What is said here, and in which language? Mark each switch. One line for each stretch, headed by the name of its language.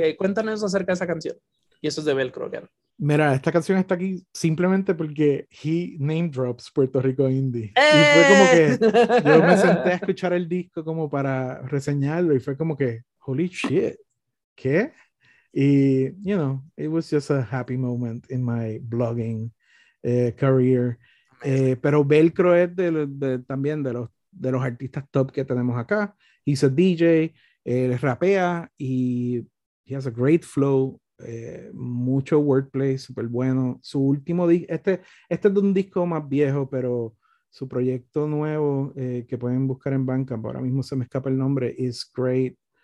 Spanish: Cuéntanos acerca de esa canción. Y eso es de Velcro,
English: again.
Spanish: Mira, esta canción está aquí simplemente porque
English: he name drops Puerto Rico Indie.
Spanish: Y fue como que yo me senté a escuchar el disco como para reseñarlo y fue como que,
English: holy shit,
Spanish: ¿qué?
English: Y, you know, it was just a happy moment in my blogging career.
Spanish: Pero Velcro es también de los artistas top que tenemos acá.
English: He's a DJ,
Spanish: él rapea y
English: he has a great flow.
Spanish: Mucho wordplay, súper bueno. Su último disco, este es de un disco más viejo, pero su proyecto nuevo que pueden buscar en Bandcamp, ahora mismo se me escapa el nombre,
English: is great.